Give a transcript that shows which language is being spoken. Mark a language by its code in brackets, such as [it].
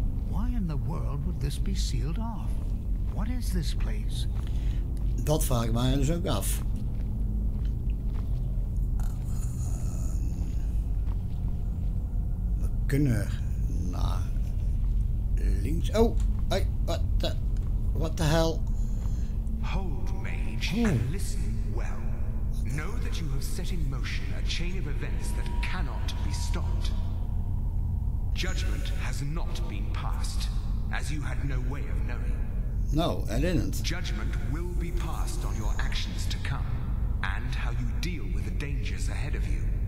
[en] Why in the world would this be sealed off? What is this place? [nl] Dat vraag ik mij dus ook af. We kunnen naar links. [en] Oh, hey, what the hell? Hold me. Edge. Oh. And listen well. Know that you have set in motion a chain of events that cannot be stopped. Judgment has not been passed, as you had no way of knowing. No, I didn't. Judgment will be passed on your actions to come, and how you deal with the dangers ahead of you.